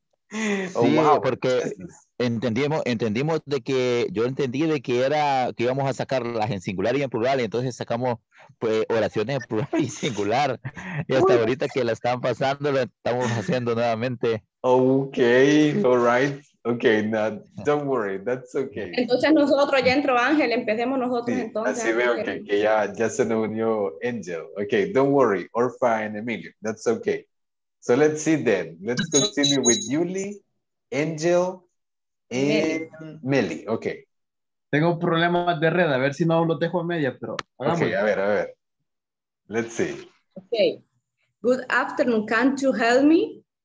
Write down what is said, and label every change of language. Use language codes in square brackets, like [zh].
[es] Sí, wow, porque entendimos de que yo entendí de que era que íbamos a sacarlas en singular y en plural, y entonces sacamos pues oraciones en plural y singular. Y hasta ahorita que la están pasando, lo estamos haciendo nuevamente. [en] Okay, all right. Okay, no, don't worry, that's okay. [es] Entonces nosotros, ya entró Ángel, empecemos nosotros sí, entonces. Así veo que ya se nos unió Angel. [en] Okay, don't worry, Orfa and Emilio, that's okay. So let's see then, let's continue with Yuli, Angel, and Meli, okay. [es] Tengo un problema de red, a ver si no lo dejo a media, pero hagamos. Okay, a ver, [en] let's see. Okay, good afternoon, can't you help me?